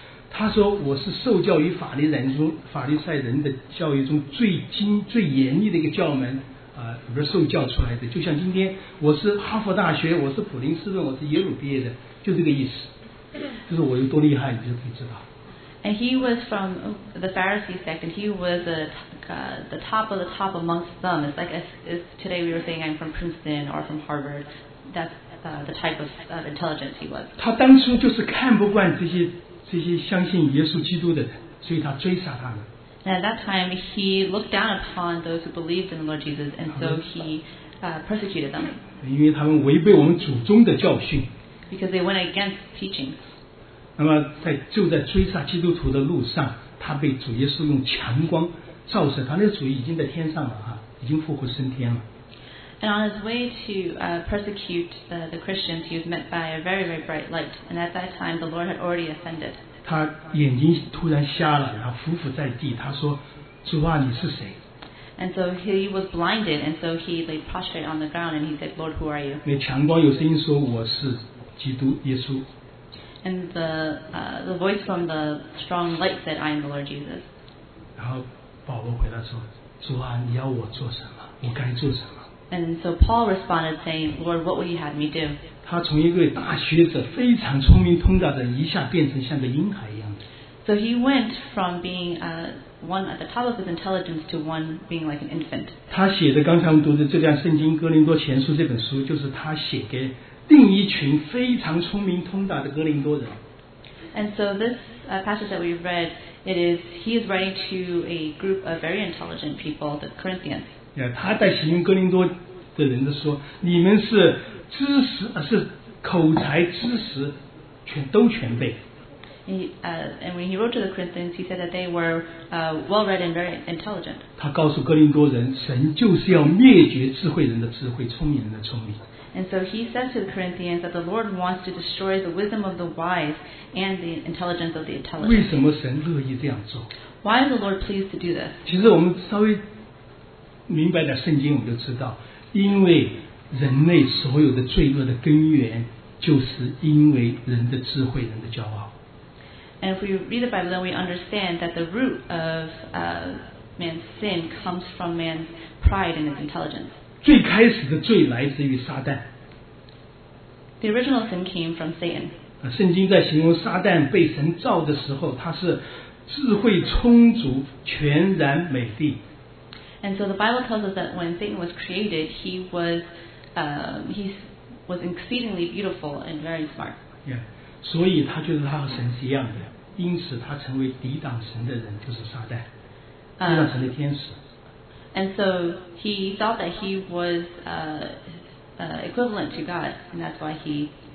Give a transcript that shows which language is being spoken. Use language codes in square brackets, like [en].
[zh] 他说我是受教于法利赛人的教育中最精最严厉的一个教门。受教出来的，就像今天我是哈佛大学，我是普林斯顿，我是耶鲁毕业的，就这个意思，就是我有多厉害，你就可以知道。 [en] And he was from the Pharisee sect, and he was the top of the top amongst them. It's like if today we were saying I'm from Princeton or from Harvard. That's the type of intelligence he was. [zh] 他当初就是看不惯这些相信耶稣基督的人，所以他追杀他们。 [en] And at that time, he looked down upon those who believed in the Lord Jesus, and so he persecuted them. [zh] 因为他们违背我们祖宗的教训。 [en] Because they went against teaching. [zh] 那么就在追杀基督徒的路上，他被主耶稣用强光照射，他那个主已经在天上了，已经复活升天了。 [en] And on his way to persecute the Christians, he was met by a very, very bright light. And at that time, the Lord had already ascended. [zh] 他眼睛突然瞎了，然后匍匐在地，他说：“主啊，你是谁？” [en] And so he was blinded, and so he lay prostrate on the ground, and he said, "Lord, who are you?" [zh] 那强光有声音说：“我是基督耶稣。” [en] And the voice from the strong light said, "I am the Lord Jesus." [zh] 然后保罗回答说：“主啊，你要我做什么？我该做什么？” [en] And so Paul responded, saying, "Lord, what will you have me do?" [zh] 他从一个大学者，非常聪明通达的，一下变成像个婴孩一样的。 [en] So he went from being one at the top of his intelligence to one being like an infant. [zh] 他写的刚才我们读的这段圣经《哥林多前书》这本书，就是他写给另一群非常聪明通达的哥林多人。 [en] And so this passage that we read, it is he is writing to a group of very intelligent people, the Corinthians. [zh] 他在形容哥林多的人的说，你们是知识，是口才知识全都全备。 [en] And when he wrote to the Corinthians, he said that they were well read and very intelligent. [zh] 他告诉哥林多人，神就是要灭绝智慧人的智慧，聪明人的聪明。 [en] And so he said to the Corinthians that the Lord wants to destroy the wisdom of the wise and the intelligence of the intelligent. [zh] 为什么神乐意这样做？ [en] Why is the Lord pleased to do this? [zh] 其实我们稍微明白的圣经，我们就知道，因为人类所有的罪恶的根源，就是因为人的智慧、人的骄傲。 [en] And if we read the Bible, then we understand that the root of man's sin comes from man's pride and his intelligence. [zh] 最开始的罪来自于撒旦。 [en] The original sin came from Satan. [zh] 圣经在形容撒旦被神造的时候，他是智慧充足、全然美丽。 [en] And so the Bible tells us that when Satan was created, he was exceedingly beautiful and very smart. Yeah. [zh] 所以他觉得他和神是一样的，因此他成为抵挡神的人，就是撒旦，抵挡神的天使。 [en] And so he thought that he was equivalent to God, and that's why he.